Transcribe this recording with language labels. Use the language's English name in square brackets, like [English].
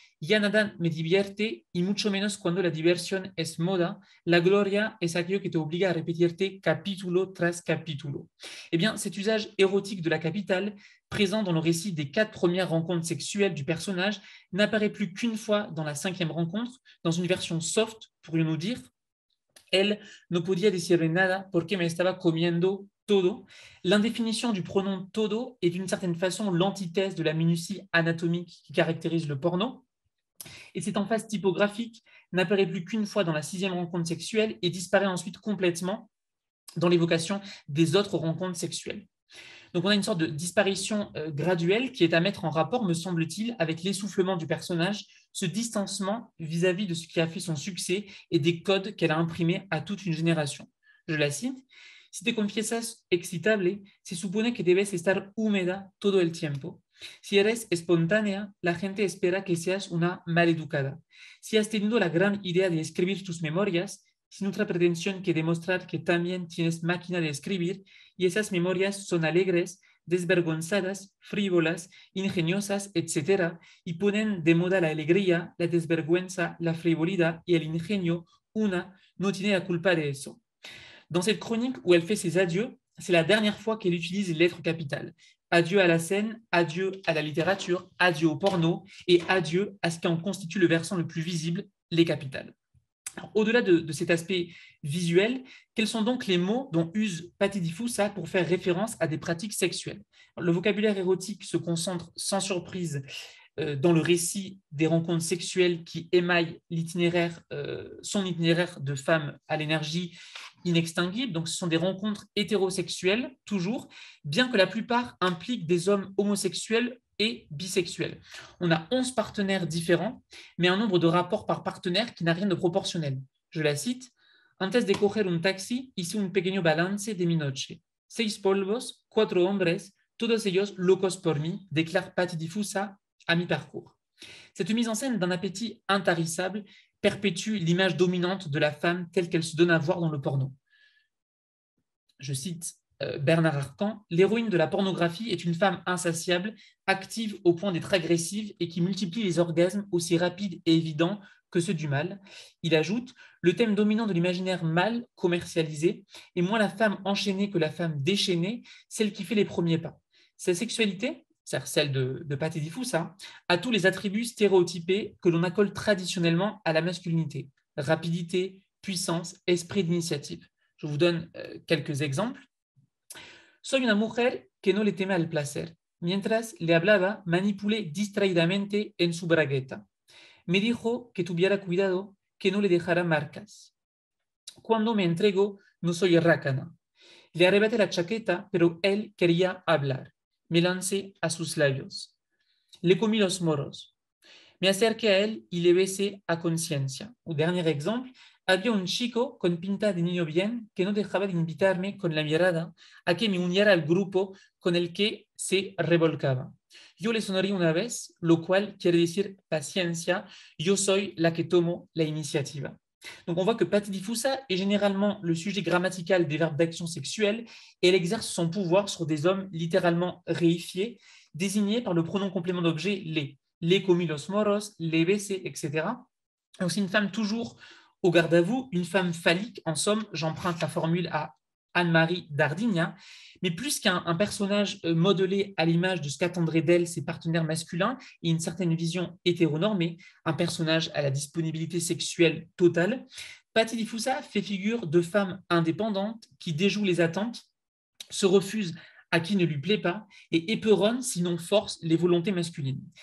[Spanish] Ya nada me divierte, y mucho menos cuando la diversión es moda, la gloria es aquello que te obliga a repetirte capítulo tras capítulo. [French] Eh bien, cet usage érotique de la capitale, présent dans le récit des quatre premières rencontres sexuelles du personnage, n'apparaît plus qu'une fois dans la cinquième rencontre, dans une version soft, pourrions-nous dire. [Spanish] Elle no podía decirle nada porque me estaba comiendo Todo. [French] L'indéfinition du pronom todo est d'une certaine façon l'antithèse de la minutie anatomique qui caractérise le porno. Et cette emphase typographique n'apparaît plus qu'une fois dans la sixième rencontre sexuelle et disparaît ensuite complètement dans l'évocation des autres rencontres sexuelles. Donc on a une sorte de disparition graduelle qui est à mettre en rapport, me semble-t-il, avec l'essoufflement du personnage, ce distancement vis-à-vis de ce qui a fait son succès et des codes qu'elle a imprimés à toute une génération. Je la cite. [Spanish] Si te confiesas excitable, se supone que debes estar húmeda todo el tiempo. Si eres espontánea, la gente espera que seas una maleducada. Si has tenido la gran idea de escribir tus memorias, sin otra pretensión que demostrar que también tienes máquina de escribir, y esas memorias son alegres, desvergonzadas, frívolas, ingeniosas, etc., y ponen de moda la alegría, la desvergüenza, la frivolidad y el ingenio, una no tiene la culpa de eso. [French] Dans cette chronique où elle fait ses adieux, c'est la dernière fois qu'elle utilise les lettres capitales. Adieu à la scène, adieu à la littérature, adieu au porno et adieu à ce qui en constitue le versant le plus visible, les capitales. Au-delà de cet aspect visuel, quels sont donc les mots dont use Patty Di Fusa pour faire référence à des pratiques sexuelles? Alors, le vocabulaire érotique se concentre sans surprise dans le récit des rencontres sexuelles qui émaillent l'itinéraire, son itinéraire de femme à l'énergie inextinguible. Donc, ce sont des rencontres hétérosexuelles, toujours, bien que la plupart impliquent des hommes homosexuels et bisexuels. On a 11 partenaires différents, mais un nombre de rapports par partenaire qui n'a rien de proportionnel. Je la cite: [Spanish] Antes de coger un taxi, hice un pequeño balance de mi noche. Seis polvos, cuatro hombres, todos ellos locos por mí, [French] déclare Patty Di Fusa à mi-parcours. Cette mise en scène d'un appétit intarissable perpétue l'image dominante de la femme telle qu'elle se donne à voir dans le porno. Je cite Bernard Arcan, l'héroïne de la pornographie est une femme insatiable, active au point d'être agressive et qui multiplie les orgasmes aussi rapides et évidents que ceux du mâle. Il ajoute, le thème dominant de l'imaginaire mâle commercialisé est moins la femme enchaînée que la femme déchaînée, celle qui fait les premiers pas. Sa sexualité, c'est-à-dire celle de Patty Di Fusa, a tous les attributs stéréotypés que l'on accole traditionnellement à la masculinité, rapidité, puissance, esprit d'initiative. Je vous donne quelques exemples. [Spanish] Soy una mujer que no le teme al placer. Mientras le hablaba, manipulé distraídamente en su bragueta. Me dijo que tuviera cuidado, que no le dejara marcas. Cuando me entrego, no soy rácana. Le arrebaté la chaqueta, pero él quería hablar. Me lancé a sus labios. Le comí los moros. Me acerqué a él y le besé a conciencia. [French] Un dernier exemple. [Spanish] Había un chico con pinta de niño bien que no dejaba de invitarme con la mirada a que me uniera al grupo con el que se revolcaba. Yo le sonreí una vez, lo cual quiere decir paciencia, yo soy la que tomo la iniciativa. [French] Donc on voit que Patty Di Fusa est généralement le sujet grammatical des verbes d'action sexuelle et elle exerce son pouvoir sur des hommes littéralement réifiés, désignés par le pronom complément d'objet les. [Spanish] Les comí los moros, les besé, [French] etc. Donc c'est une femme toujours au garde à vous, une femme phallique, en somme, j'emprunte la formule à Anne-Marie Dardigna, mais plus qu'un personnage modelé à l'image de ce qu'attendraient d'elle ses partenaires masculins et une certaine vision hétéronormée, un personnage à la disponibilité sexuelle totale, Patty Di Fusa fait figure de femme indépendante qui déjoue les attentes, se refuse à qui ne lui plaît pas et éperonne, sinon force, les volontés masculines.